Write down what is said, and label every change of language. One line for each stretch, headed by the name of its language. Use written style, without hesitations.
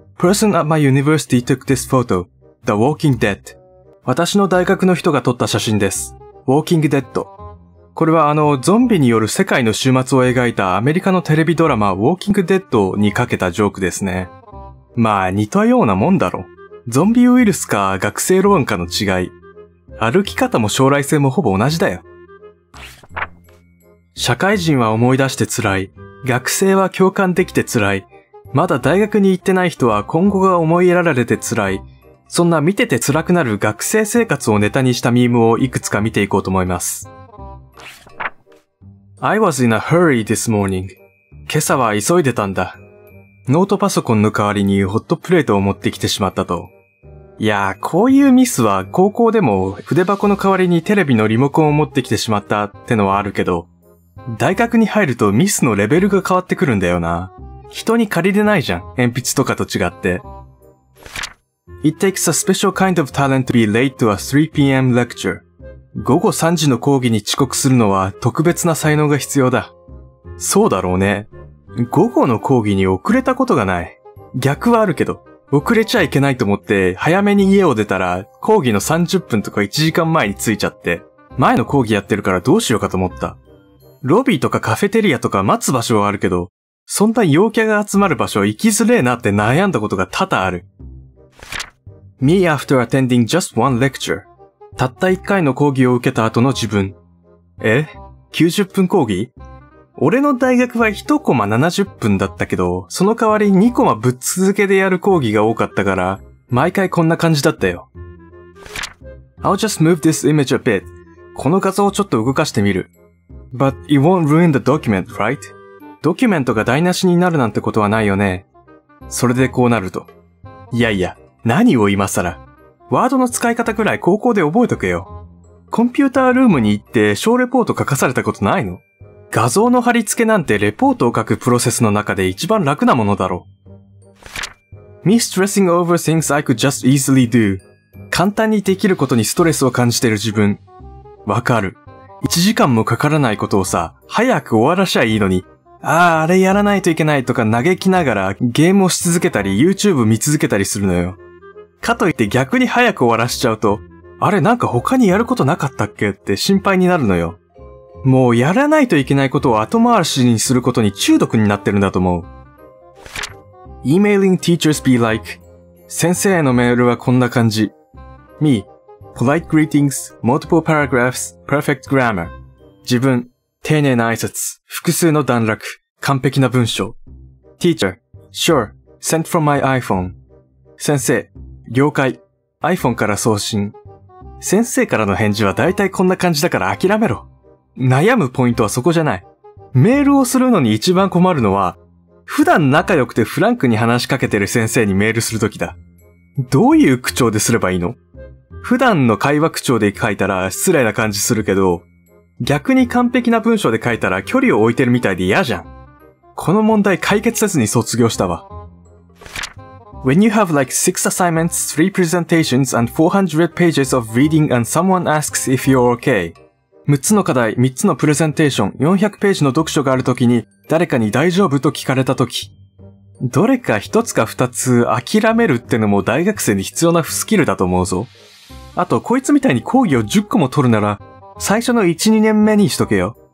English: Person at my university took this photo. The Walking Dead.
Japanese: 私の大学の人が撮った写真です。 Walking Dead。これはゾンビによる世界の終末を描いたアメリカのテレビドラマ Walking Dead にかけたジョークですね。まあ似たようなもんだろ。ゾンビウイルスか学生ローンかの違い。歩き方も将来性もほぼ同じだよ。社会人は思い出して辛い。学生は共感できて辛い。まだ大学に行ってない人は今後が思いやられて辛い。そんな見てて辛くなる学生生活をネタにしたミームをいくつか見ていこうと思います。
English: I was in a hurry this morning.
Japanese: 今朝は急いでたんだ。ノートパソコンの代わりにホットプレートを持ってきてしまったと。いやー、こういうミスは高校でも筆箱の代わりにテレビのリモコンを持ってきてしまったってのはあるけど、大学に入るとミスのレベルが変わってくるんだよな。人に借りれないじゃん、鉛筆とかと違って。
English: It takes a special kind of talent to be late to a 3pm lecture.
Japanese: 午後3時の講義に遅刻するのは特別な才能が必要だ。そうだろうね。午後の講義に遅れたことがない。逆はあるけど、遅れちゃいけないと思って早めに家を出たら講義の30分とか1時間前に着いちゃって、前の講義やってるからどうしようかと思った。ロビーとかカフェテリアとか待つ場所はあるけど、そんな陽キャが集まる場所行きづれえなって悩んだことが多々ある。
English: Me after attending just one lecture.
Japanese: たった一回の講義を受けた後の自分。え？ 90 分講義？俺の大学は1コマ70分だったけど、その代わり2コマぶっ続けでやる講義が多かったから、毎回こんな感じだったよ。
English: I'll just move this image a bit.
Japanese: この画像をちょっと動かしてみる。
English: But it won't ruin the document, right?
Japanese: ドキュメントが台無しになるなんてことはないよね。それでこうなると。いやいや、何を今更。ワードの使い方くらい高校で覚えとけよ。コンピュータールームに行って小レポート書かされたことないの？画像の貼り付けなんてレポートを書くプロセスの中で一番楽なものだろう。
English: Me stressing over things I could just easily do.
Japanese: 簡単にできることにストレスを感じている自分。わかる。 1時間もかからないことをさ、早く終わらしゃいいのに、ああ、あれやらないといけないとか嘆きながらゲームをし続けたり YouTube 見続けたりするのよ。かといって逆に早く終わらしちゃうと、あれなんか他にやることなかったっけって心配になるのよ。もうやらないといけないことを後回しにすることに中毒になってるんだと思う。
English: Emailing teachers be like.
Japanese: 先生へのメールはこんな感じ。
English: Me. Polite greetings, multiple paragraphs, perfect grammar.
Japanese: 自分。丁寧な挨拶。複数の段落。完璧な文章。
English: Teacher. Sure. Sent from my iPhone.
Japanese: 先生。了解。 iPhone から送信。先生からの返事は大体こんな感じだから諦めろ。悩むポイントはそこじゃない。メールをするのに一番困るのは、普段仲良くてフランクに話しかけてる先生にメールするときだ。どういう口調ですればいいの？普段の会話口調で書いたら失礼な感じするけど、逆に完璧な文章で書いたら距離を置いてるみたいで嫌じゃん。この問題解決せずに卒業したわ。
English: When you have like 6 assignments, 3 presentations and 400 pages of reading and someone asks if you're okay.
Japanese: 6つの課題、3つのプレゼンテーション、400ページの読書があるときに、誰かに大丈夫と聞かれたとき。どれか1つか2つ諦めるってのも大学生に必要な不スキルだと思うぞ。あと、こいつみたいに講義を10個も取るなら、最初の1、2年目にしとけよ。